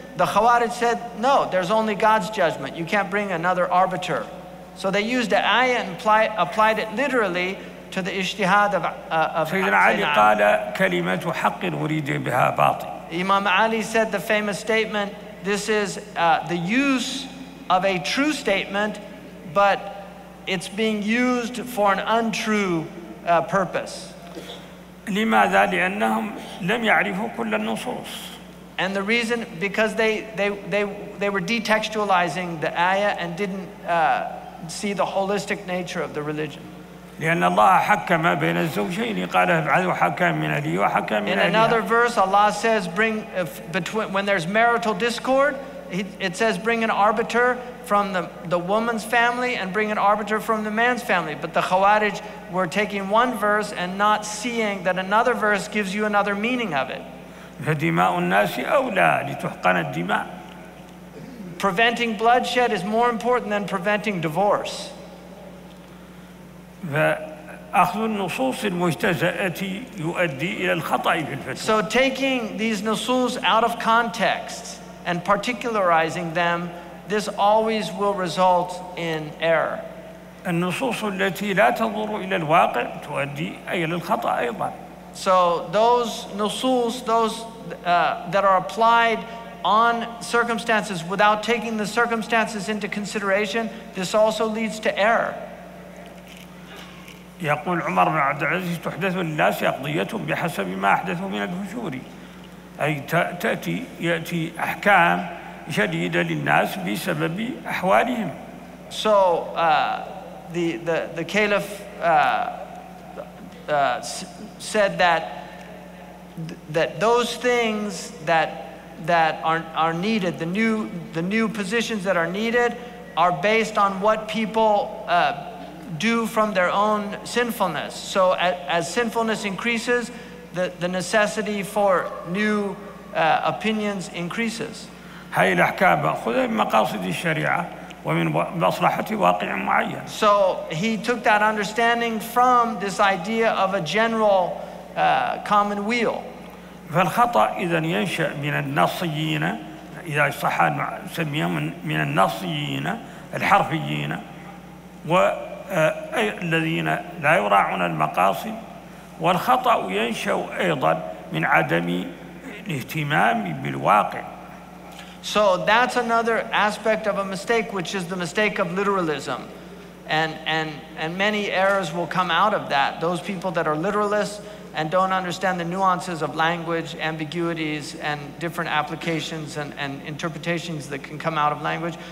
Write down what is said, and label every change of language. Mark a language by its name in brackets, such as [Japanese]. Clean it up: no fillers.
[English] The Khawarij said, no, there's only God's judgment. You can't bring another arbiter. So they used the ayah and applied it literally to the ijtihad of Sayyidina Ali. [Arabic] قال كلمة حق أريد بها باطل. [English] Imam Ali said the famous statement, this is the use of a true statement, but it's being used for an untrue purpose. [Arabic] لماذا؟ لأنهم لم يعرفوا كل النصوص. [English] And the reason, because they were detextualizing the ayah and didn't see the holistic nature of the religion. [Arabic] لأن الله حكم بين الزوجين قال ابعثوا حكم من لي وحكم من لي. [English] In another verse, Allah says, when there's marital discord, it says, bring an arbiter from the woman's family and bring an arbiter from the man's family. But the Khawarij were taking one verse and not seeing that another verse gives you another meaning of it. [Arabic] فدماء الناس أولى لتحقن الدماء. [English] Preventing bloodshed is more important than preventing divorce. [Arabic] فأخذ النصوص المجتزأة يؤدي إلى الخطأ في الفتوى. [English] So taking these nusus out of context and particularizing them, this always will result in error. [Arabic] النصوص التي لا تنظر إلى الواقع تؤدي إلى الخطأ أيضا. [English] So those nusus, those that are applied on circumstances without taking the circumstances into consideration, this also leads to error. [Arabic] يقول عمر بن عبد العزيز تحدث للناس أقضيتهم بحسب ما أحدثوا من الفجور أي يأتي أحكام شديدة للناس بسبب أحوالهم. [English] So the caliph said that those things that are needed, the new positions that are needed are based on what people do from their own sinfulness. So as sinfulness increases, the necessity for new opinions increases. [Arabic] هاي الأحكام بأخذ من مقاصد الشريعة ومن مصلحة واقع معين. [English] So he took that understanding from this idea of a general common weal. [Arabic] فالخطأ إذا ينشأ من النصيين إذا صح سميهم من النصيين الحرفيين و الذين لا يراعون المقاصد والخطأ ينشأ أيضا من عدم الاهتمام بالواقع. [English] So that's another aspect of a mistake, which is the mistake of literalism, and many errors will come out of that. Those people that are literalists, and don't understand the nuances of language, ambiguities, and different applications and interpretations that can come out of language.